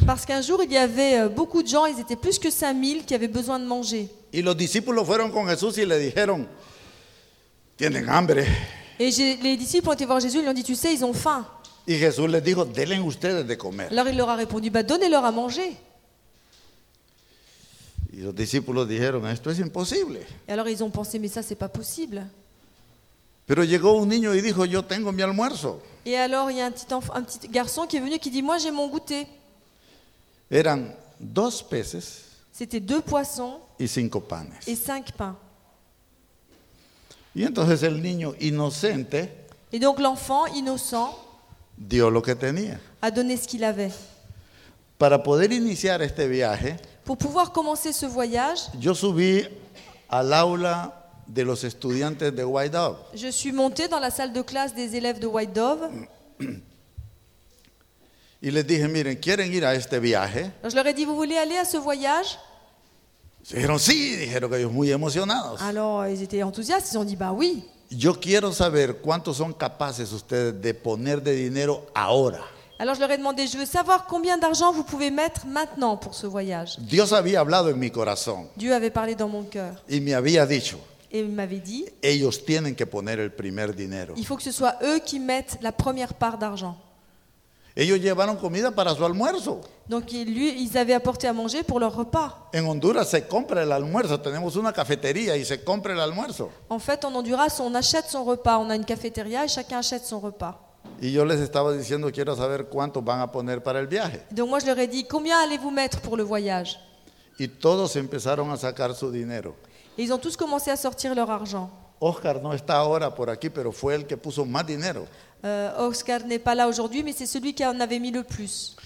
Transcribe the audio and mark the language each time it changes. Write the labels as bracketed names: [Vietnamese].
[French] Parce qu'un jour il y avait beaucoup de gens, ils étaient plus que 5,000 qui avaient besoin de manger. [Spanish] Y los discípulos fueron con Jesús y le dijeron: tienen hambre. [French] Et les disciples ont été voir Jésus, ils lui ont dit: tu sais, ils ont faim. [Spanish] Y Jesús les dijo: denle ustedes de comer. [French] Alors il leur a répondu: bah, donnez-leur à manger. [Spanish] Y los discípulos dijeron: esto es imposible. [French] Et alors ils ont pensé: mais ça, c'est pas possible. [Spanish] Pero llegó un niño y dijo: yo tengo mi almuerzo. [French] Et alors il y a un petit garçon qui est venu qui dit: moi, j'ai mon goûter. [Spanish] Eran dos peces. [French] C'était deux poissons. [Spanish] Y cinco panes. [French] Et cinq pains. [Spanish] Y entonces el niño inocente. [French] Et donc l'enfant innocent. [Spanish] Dio lo que tenía. [French] A donné ce qu'il avait. [Spanish] Para poder iniciar este viaje. [French] Pour pouvoir commencer ce voyage. [Spanish] Yo subí al aula de los estudiantes de White Dove. [French] Je suis montée dans la salle de classe des élèves de White Dove. [Spanish] Y les dije: miren, ¿quieren ir a este viaje? [French] Alors je leur ai dit: vous voulez aller à ce voyage? [Spanish] Dijeron sí, dijeron que ellos muy emocionados. [French] Alors ils étaient enthousiastes, ils ont dit: bah oui. [Spanish] Yo quiero saber cuántos son capaces ustedes de poner de dinero ahora. [French] Alors je leur ai demandé: je veux savoir combien d'argent vous pouvez mettre maintenant pour ce voyage. [Spanish] Dios había hablado en mi corazón. [French] Dieu avait parlé dans mon cœur. [Spanish] Y me había dicho. [French] Et il m'avait dit: [Spanish] ellos tienen que poner el primer dinero. [French] Il faut que ce soit eux qui mettent la première part d'argent. [Spanish] Ellos llevaron comida para su almuerzo. [French] Donc lui, ils avaient apporté à manger pour leur repas. [Spanish] En Honduras se compra el almuerzo, tenemos una cafetería y se compra el almuerzo. [French] En fait, en Honduras, on achète son repas, on a une cafétéria et chacun achète son repas. [Spanish] Y yo les estaba diciendo: quiero saber cuánto van a poner para el viaje. [French] Donc moi je leur ai dit: combien allez-vous mettre pour le voyage? [Spanish] Y todos empezaron a sacar su dinero. [French] Et ils ont tous commencé à sortir leur argent. [Spanish] Oscar no está ahora por aquí, pero fue el que puso más dinero. [French] Oscar n'est pas là aujourd'hui, mais c'est celui qui en avait mis le plus.